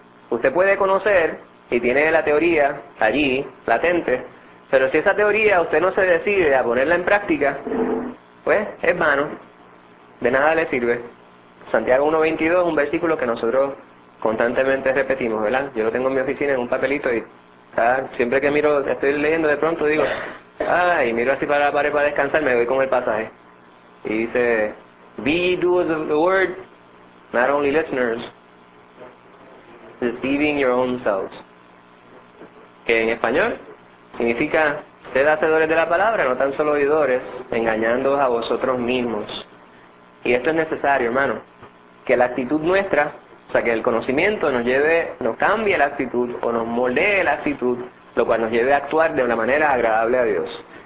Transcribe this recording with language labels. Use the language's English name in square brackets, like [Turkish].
[Spanish] Usted puede conocer y tiene la teoría allí, latente, pero si esa teoría usted no se decide a ponerla en práctica, pues es vano, de nada le sirve. Santiago 1.22 es un versículo que nosotros constantemente repetimos, ¿verdad? Yo lo tengo en mi oficina en un papelito y, ¿sabes?, siempre que miro, estoy leyendo, de pronto digo, ¡ay!, miro así para la pared para descansar, me voy con el pasaje. Y dice, [English] be doers of the word, not only listeners, deceiving your own selves. [Spanish] Que en español significa, sed hacedores de la palabra, no tan solo oidores, engañándoos a vosotros mismos. Y esto es necesario, hermano. Que la actitud nuestra, o sea, que el conocimiento nos lleve, nos cambie la actitud o nos moldee la actitud, lo cual nos lleve a actuar de una manera agradable a Dios.